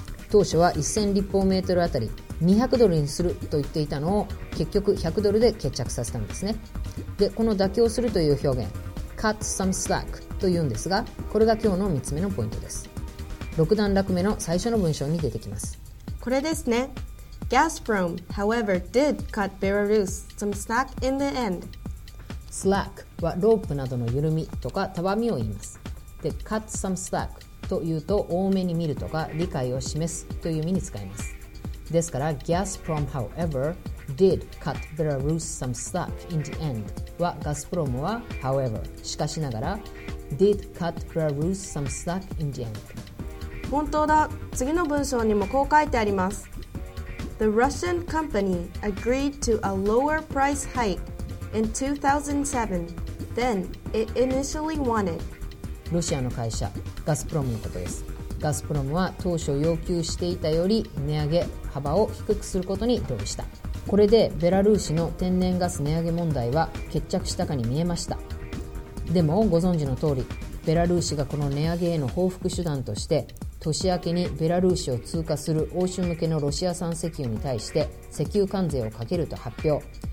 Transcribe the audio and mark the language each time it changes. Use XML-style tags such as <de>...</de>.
<ja>当初は1000立方メートルあたり200ドルにすると言っていたのを結局100ドルで決着させたんですね。で、この妥協するという表現 cut some slack というんですが、これが今日の3つ目のポイントです。 6段落目の最初の文章に出てきます。これですね。</ja> <en>Gazprom, however, did cut Belarus some slack in the end.</en> <ja>Slack はロープなどの緩みとかたわみを言います。で、 cut some slack というと多めに見るとか理解を示すという意味に使います。</ja> <en>ですから、 Gazprom, however, did cut Belarus some slack in the end は、ガスプロムは、 however, しかしながら、 did cut Belarus some slack in the end。</en> <ja>本当だ。次の文章にもこう書いてあります。</ja> <en>The Russian company agreed to a lower price hike in 2007 than it initially wanted.</en> <ja>ロシアの会社、ガスプロムのことです。ガスプロムは当初要求していたより値上げ幅を低くすることに同意した。これでベラルーシの天然ガス値上げ問題は決着したかに見えました。でもご存知の通り、ベラルーシがこの値上げへの報復手段として年明けにベラルーシを通過する欧州向けのロシア産石油に対して石油関税をかけると発表。</ja>